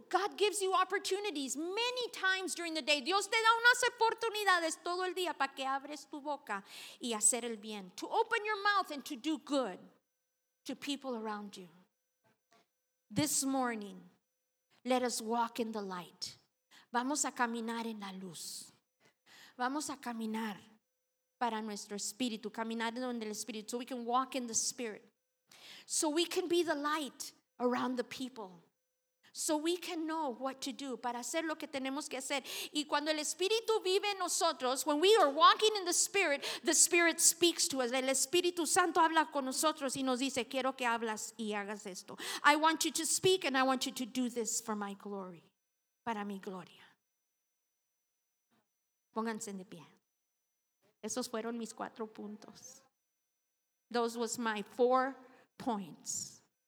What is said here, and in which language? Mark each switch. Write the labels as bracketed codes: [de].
[en] God gives you opportunities many times during the day. [es] Dios te da unas oportunidades todo el día para que abres tu boca y hacer el bien. [en] To open your mouth and to do good to people around you. This morning, let us walk in the light. [es] Vamos a caminar en la luz. Vamos a caminar para nuestro espíritu. Caminar en el espíritu. [en] So we can walk in the spirit. So we can be the light around the people. So we can know what to do. [es] Para hacer lo que tenemos que hacer. Y cuando el Espíritu vive en nosotros, [en] when we are walking in the Spirit speaks to us. [es] El Espíritu Santo habla con nosotros y nos dice, quiero que hablas y hagas esto. [en] I want you to speak and I want you to do this for my glory. [es] Para mi gloria. Pónganse de pie. Esos fueron mis cuatro puntos. [en] Those was my four points.